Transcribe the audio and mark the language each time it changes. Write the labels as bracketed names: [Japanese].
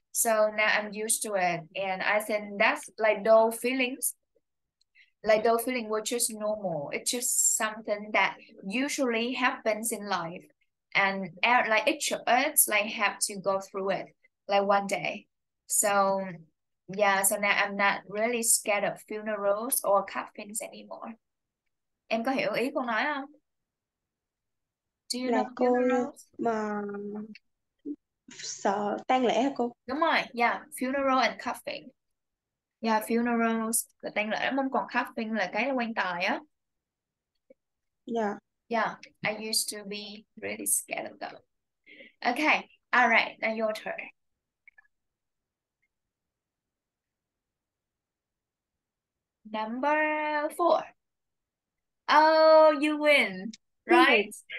[English] So now I'm used to it. And I think that's like those feelings were just normal. It's just something that usually happens in life. And like each of us like have to go through it like one day. So now I'm not really scared of funerals or coffins anymore. [Vietnamese] Em có hiểu ý con nói không? [English] Do you [Vietnamese] là [English] know funerals? [Vietnamese] Mà sợ tang lễ hả cô? Đúng rồi, [English] yeah, funeral and coffin. [Vietnamese] Yeah, funerals, tang lễ, mong còn coffin là cái quan tài á. [English] Yeah. Yeah, I used to be really scared of them. Okay, all right, now your turn. Number four. Oh, you win, right?